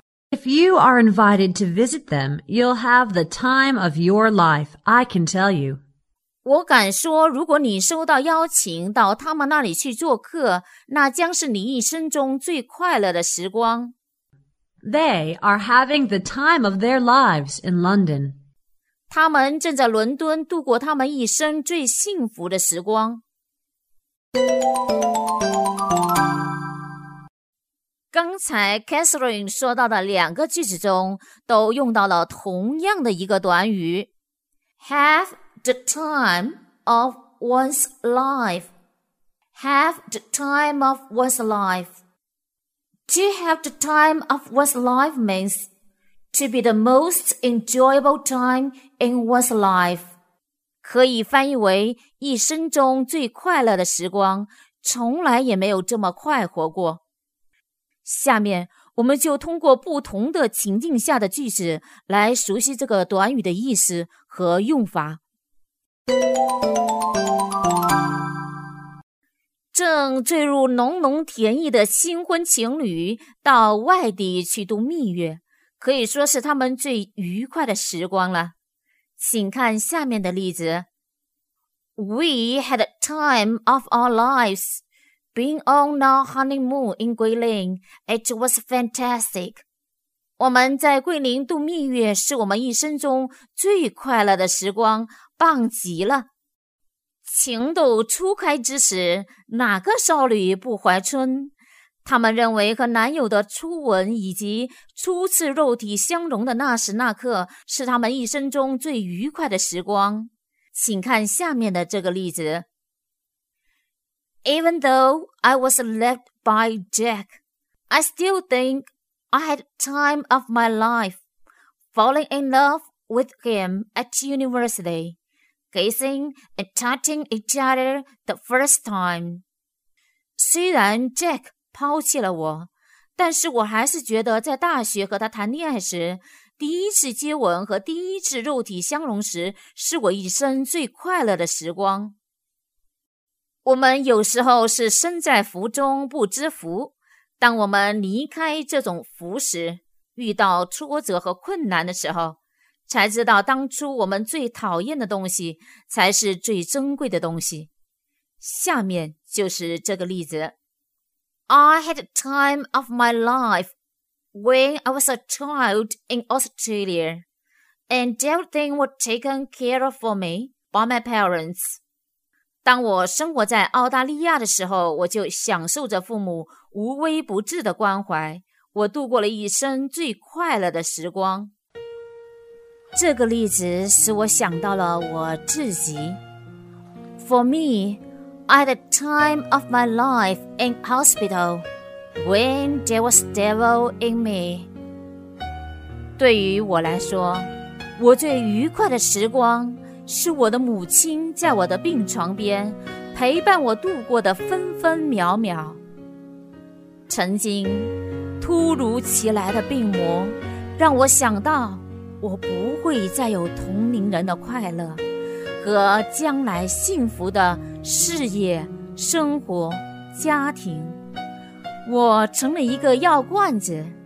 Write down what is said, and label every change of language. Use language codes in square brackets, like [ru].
[en] If you are invited to visit them, you'll have the time of your life, I can tell you. [zh] 我敢说，如果你收到邀请到他们那里去做客，那将是你一生中最快乐的时光。 [en] They are having the time of their lives in London. [zh] 他们正在伦敦度过他们一生最幸福的时光。刚才 Catherine 说到的两个句子中都用到了同样的一个短语 [en] Have the time of one's life. Have the time of one's life. To have the time of one's life means to be the most enjoyable time in one's life. [zh] 可以翻译为一生中最快乐的时光，从来也没有这么快活过。下面我们就通过不同的情境下的句子来熟悉这个短语的意思和用法。正坠入浓浓甜意的新婚情侣到外地去度蜜月，可以说是他们最愉快的时光了。请看下面的例子。 [en] We had a time of our lives. Being on our honeymoon in Guilin, it was fantastic. [zh] 我们在桂林度蜜月是我们一生中最快乐的时光，棒极了。情窦初开之时，哪个少女不怀春？他们认为和男友的初吻以及初次肉体相融的那时那刻，是他们一生中最愉快的时光。请看下面的这个例子。 [en] Even though I was left by Jack, I still think I had time of my life, falling in love with him at university, kissing and touching each other the first time. [zh] 虽然 Jack 抛弃了我，但是我还是觉得在大学和他谈恋爱时，第一次接吻和第一次肉体相融时，是我一生最快乐的时光。我们有时候是身在福中不知福，当我们离开这种福时，遇到挫折和困难的时候，才知道当初我们最讨厌的东西才是最珍贵的东西。下面就是这个例子。 [en] I had a time of my life when I was a child in Australia and everything was taken care of for me by my parents. [zh] 当我生活在澳大利亚的时候，我就享受着父母无微不至的关怀，我度过了一生最快乐的时光。这个例子使我想到了我自己。 [en] For me, I had a time of my life in hospital when there was devil in me. [zh] 对于我来说，我最愉快的时光是我的母亲在我的病床边陪伴我度过的分分秒秒。曾经突如其来的病魔让我想到我不会再有同龄人的快乐和将来幸福的事业、生活、家庭，我成了一个药罐子。